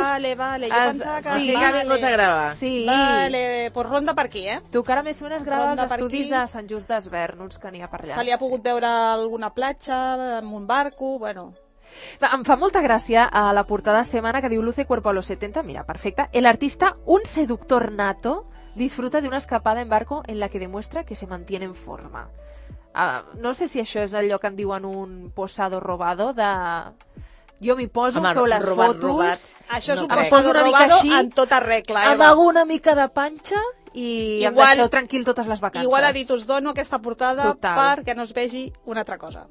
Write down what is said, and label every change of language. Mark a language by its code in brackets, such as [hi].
[ca] Vale, vale, jo pensava que... Sí, que ha vingut a gravar. Sí. Vale, pues ronda per aquí, eh? Tu cara me suena es grava als estudis de Sant Just d'Esvern, uns que n'hi ha per allà. Se li ha pogut veure alguna platja, amb un barco, bueno... Em fa molta gràcia a la portada setmana que diu [es] Luce cuerpo a los 70, [ca] mira, perfecta. [es] El artista, un seductor nato, disfruta de una escapada en barco en la que demuestra que se mantiene en forma. [ca] No sé si això és allò que en diuen un posado robado de... Jo m'hi poso, home, feu les robat, fotos... Robat. Això és un posado robado així, en tota regla. Eva. Amago una mica de panxa i igual, em deixo tranquil totes les vacances. Igual ha dit, us dono aquesta portada total, perquè no es vegi una altra cosa.